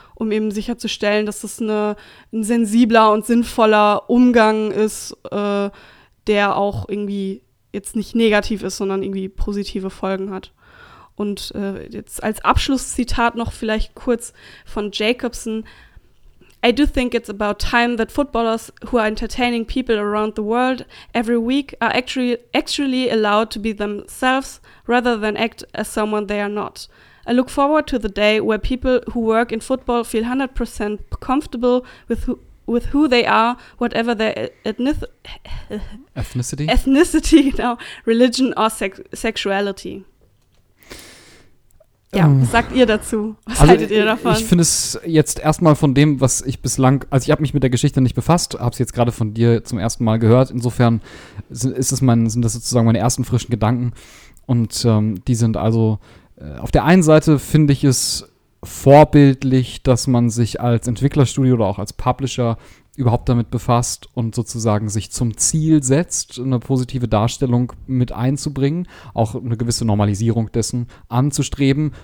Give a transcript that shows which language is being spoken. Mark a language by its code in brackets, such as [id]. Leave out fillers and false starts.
[de] um eben sicherzustellen, dass das ein sensibler und sinnvoller Umgang ist, der auch irgendwie jetzt nicht negativ ist, sondern irgendwie positive Folgen hat. Und jetzt als Abschlusszitat noch vielleicht kurz von Jacobson. [en] I do think it's about time that footballers who are entertaining people around the world every week are actually allowed to be themselves rather than act as someone they are not. I look forward to the day where people who work in football feel 100% comfortable with who they are, whatever their ethnicity, [de] genau, [en] religion or sexuality. [de] Ja, was sagt ihr dazu? Was haltet ihr davon? Ich finde es jetzt erstmal von dem, was ich bislang, also ich habe mich mit der Geschichte nicht befasst, habe es jetzt gerade von dir zum ersten Mal gehört. Insofern sind das sozusagen meine ersten frischen Gedanken. Und die sind also, auf der einen Seite finde ich es vorbildlich, dass man sich als Entwicklerstudio oder auch als Publisher überhaupt damit befasst und sozusagen sich zum Ziel setzt, eine positive Darstellung mit einzubringen, auch eine gewisse Normalisierung dessen anzustreben.